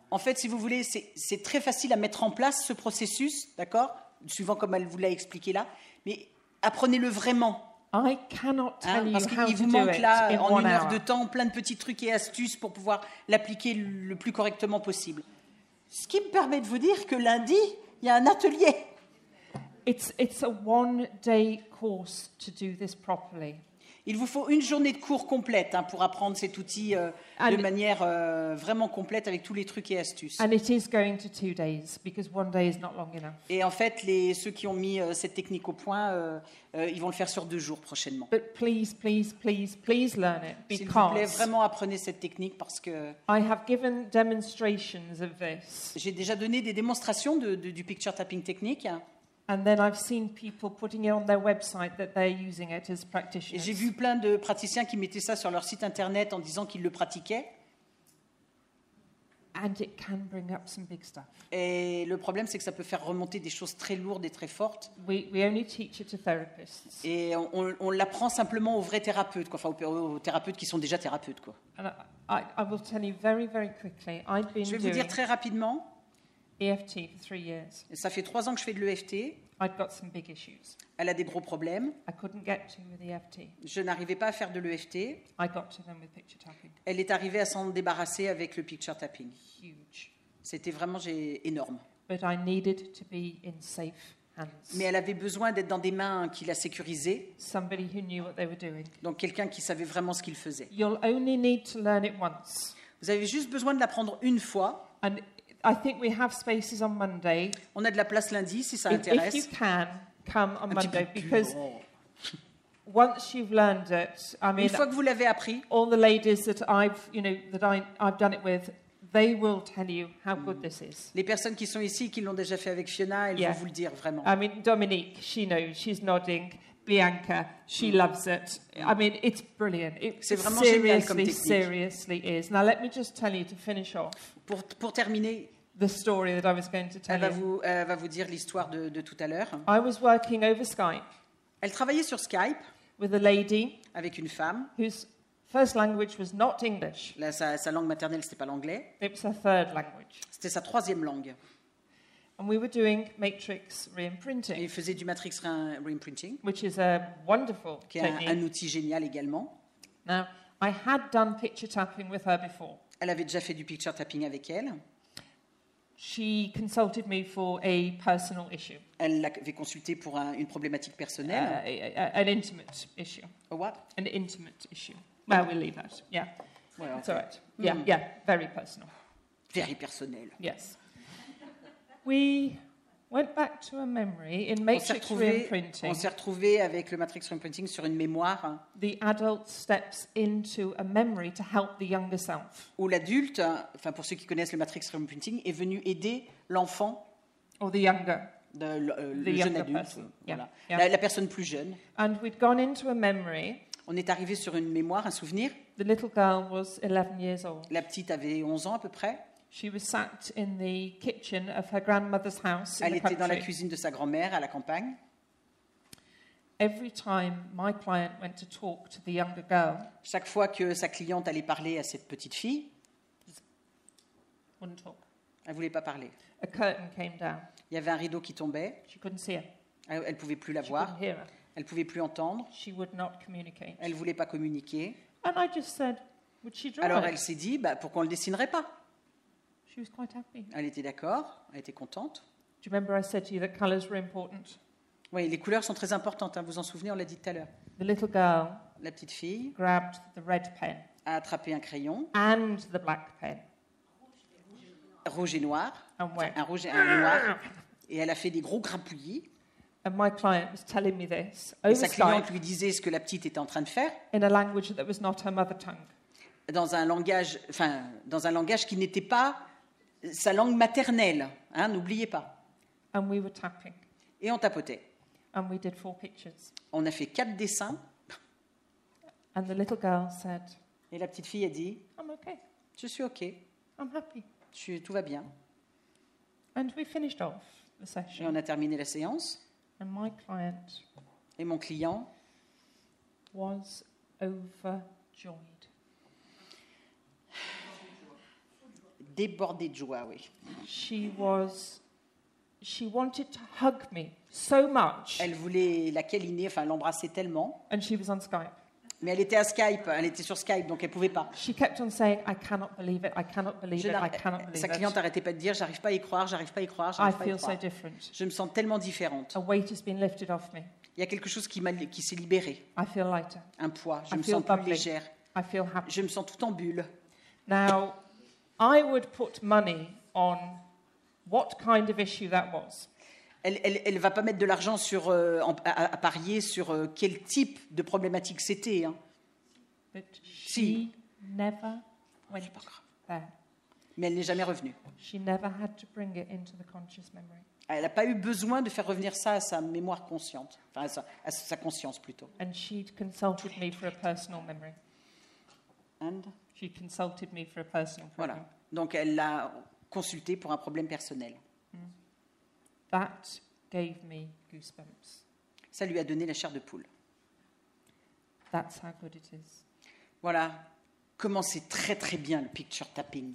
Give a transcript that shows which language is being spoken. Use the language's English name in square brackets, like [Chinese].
[French] En fait, si vous voulez, c'est très facile à mettre en place ce processus, d'accord, suivant comme elle vous l'a expliqué là, mais apprenez-le vraiment. [English] I cannot tell you [French] parce qu'il [English] how [French] vous [English] to [French] manque [English] do [French] là, [English] it [French] en une heure [English] hour. [French] De temps, plein de petits trucs et astuces pour pouvoir l'appliquer le plus correctement possible. Ce qui me permet de vous dire que lundi, il y a un atelier. [English] It's a one-day course to do this properly. [French] Il vous faut une journée de cours complète hein, pour apprendre cet outil de manière vraiment complète avec tous les trucs et astuces. [English] And it is going to 2 days because 1 day is not long enough. [French] Et en fait, ceux qui ont mis cette technique au point, ils vont le faire sur 2 jours prochainement. [English] But please, please, please, please learn it because [French] s'il vous plaît, vraiment apprenez cette technique parce que [English] I have given demonstrations of this. [French] J'ai déjà donné des démonstrations du picture tapping technique. [English] And then I've seen people putting it on their website that they're using it as practitioners. [French] Et j'ai vu plein de praticiens qui mettaient ça sur leur site internet en disant qu'ils le pratiquaient. [English] And it can bring up some big stuff. [French] Et le problème c'est que ça peut faire remonter des choses très lourdes et très fortes. [English] We only teach it to therapists. [French] Et on l'apprend simplement aux vrais thérapeutes quoi, enfin aux thérapeutes qui sont déjà thérapeutes quoi. [English] And I will tell you very very quickly. I've been [French] Je vais vous dire très rapidement. [English] EFT for 3 years. [French] Et ça fait 3 ans que je fais de l'EFT. [English] I've got some big issues. [French] Elle a des gros problèmes. [English] I couldn't get to with EFT. [French] Je n'arrivais pas à faire de l'EFT. [English] I got to them with picture tapping. [French] Elle est arrivée à s'en débarrasser avec le picture tapping. [English] Huge. [French] C'était vraiment énorme. [English] But I needed to be in safe hands. [French] Mais elle avait besoin d'être dans des mains qui la sécurisaient. [English] Somebody who knew what they were doing. [French] Donc quelqu'un qui savait vraiment ce qu'il faisait. [English] You'll only need to learn it once. [French] Vous avez juste besoin de l'apprendre une fois. [English] And I think we have spaces on Monday. [French] On a de la place lundi si ça intéresse. [English] If you can come on Monday because once you've learned it, I mean, [French] une fois que vous l'avez appris, [English] all the ladies that I've done it with, they will tell you how good this is. [French] Les personnes qui sont ici qui l'ont déjà fait avec Fiona, elles vont vous le dire vraiment. [English] I mean, Dominique, she knows, she's nodding. Bianca, she loves it. I mean, it's brilliant. [French] C'est vraiment [English] seriously, [French] génial comme technique. [English] Seriously is. Now let me just tell you to finish off. [French] Pour terminer, [English] the story that I was going to tell [French] elle [English] you. [French] Elle va vous dire l'histoire de tout à l'heure. [English] I was working over Skype. [French] Elle travaillait sur Skype [English] with a lady [French] avec une femme [English] whose first language was not English. [French] Là, sa langue maternelle c'était pas l'anglais. [English] It was her third language. [French] C'était sa troisième langue. [English] And we were doing matrix re-imprinting. [French] Et il faisait du matrix re-imprinting. [English] Which is a wonderful [French] qui est un outil génial également. [English] Now, I had done picture tapping with her before. [French] Elle avait déjà fait du picture tapping avec elle. [English] She consulted me for a personal issue. [French] Elle l'avait consulté pour une problématique personnelle. [English] An intimate issue. A what? An intimate issue. Okay. Well, we'll leave that. Yeah. Well, it's all right. Yeah, yeah, very personal. Very personnel. Yes. We went back to a memory in matrix re-imprinting. [French] On s'est retrouvé avec le matrix re-imprinting sur une mémoire. [English] The adult steps into a memory to help the younger self. [French] Où l'adulte, enfin pour ceux qui connaissent le matrix re-imprinting, est venu aider l'enfant. [English] Or the younger. [French] Le jeune adulte. [English] Yeah. [French] La personne plus jeune. [English] And we'd gone into a memory. [French] On est arrivé sur une mémoire, un souvenir. [English] The little girl was 11 years old. [French] La petite avait 11 ans à peu près. [English] She was sat in the kitchen of her grandmother's house. [French] Elle [English] in the [French] était dans la cuisine de sa grand-mère à la campagne. [English] Every time my client went to talk to the younger girl, [French] chaque fois que sa cliente allait parler à cette petite fille, [English] wouldn't talk. [French] Elle voulait pas parler. [English] A curtain came down. [French] Il y avait un rideau qui tombait. [English] She couldn't see her. [French] Elle pouvait plus la voir. [English] She couldn't hear her. [French] Elle pouvait plus entendre. [English] She would not communicate. [French] Elle voulait pas communiquer. [English] And I just said, would she draw? [French] Alors elle s'est dit, bah, pourquoi on ne le dessinerait pas? [English] She was quite happy. [French] Elle était d'accord, elle était contente. [English] Do you remember I said to you that colors were important? [French] Oui, les couleurs sont très importantes, hein, vous en souvenez, on l'a dit tout à l'heure. [English] The little girl, [French] la petite fille, [English] grabbed the red pen, [French] a attrapé un crayon, [English] and the black pen, [French] rouge et noir, [English] and went. [French] Un rouge et un noir, et elle a fait des gros grappouillis. [English] And my client was telling me this. [French] Et sa cliente lui disait ce que la petite était en train de faire. [English] In a language that was not her mother tongue. [French] Dans un langage qui n'était pas sa langue maternelle, hein, n'oubliez pas. [English] And we were tapping. [French] Et on tapotait. [English] And we did four pictures. [French] On a fait quatre dessins. [English] And the little girl said. [French] Et la petite fille a dit. [English] I'm okay. [French] Je suis okay. [English] I'm happy. [French] Tout va bien. [English] And we finished off the session. [French] Et on a terminé la séance. [English] And my client [French] et mon client [English] was overjoyed. [French] Débordé de joie, oui. [English] She wanted to hug me so much. [French] Elle voulait la câliner, enfin l'embrasser tellement. [English] And she was on Skype. [French] Mais elle était à Skype, elle était sur Skype, donc elle pouvait pas. [English] She kept on saying, I cannot believe it, I cannot believe it, I cannot believe it. [French] Sa cliente n'arrêtait pas de dire, j'arrive pas à y croire, j'arrive pas à y croire, j'arrive pas à y croire. [English] I feel so different. [French] Je me sens tellement différente. [English] A weight has been lifted off me. [French] Il y a quelque chose qui s'est libéré. [English] I feel lighter. [French] Un poids. Je me sens plus légère. [English] I feel happy. [French] Je me sens tout en bulle. [English] Now, I would put money on what kind of issue that was. [French] Elle ne va pas mettre de l'argent à parier sur quel type de problématique c'était. Hein. [English] But she [French] si. [English] Never went [French] pas [English] there. [French] Mais elle n'est jamais revenue. [English] She never had to bring it into the conscious memory. [French] Elle n'a pas eu besoin de faire revenir ça à sa mémoire consciente, enfin à sa conscience plutôt. [English] And she consulted me for a personal memory. And she consulted me for a personal problem. [French] Voilà. Donc elle l'a consultée pour un problème personnel. [English] That gave me goosebumps. [French] Ça lui a donné la chair de poule. [English] That's how good it is. [French] Voilà comment c'est très très bien le picture tapping.